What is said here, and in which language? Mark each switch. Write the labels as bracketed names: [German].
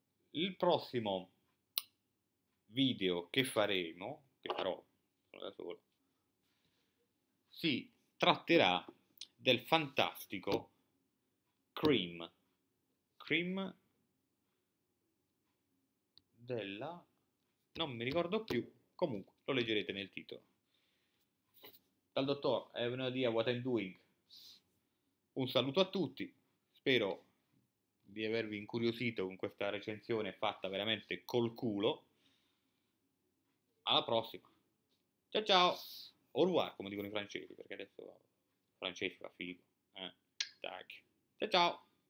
[Italian] Il prossimo video che faremo, che farò da solo, si tratterà del fantastico Cream della, non mi ricordo più, comunque lo leggerete nel titolo. Dal dottor, [English] I have no idea what I'm doing. [Italian] Un saluto a tutti. Spero di avervi incuriosito con questa recensione fatta veramente col culo. Alla prossima. Ciao ciao. [French] Au revoir, [Italian] come dicono i francesi, perché adesso il francese fa figo. Tac. Ciao ciao.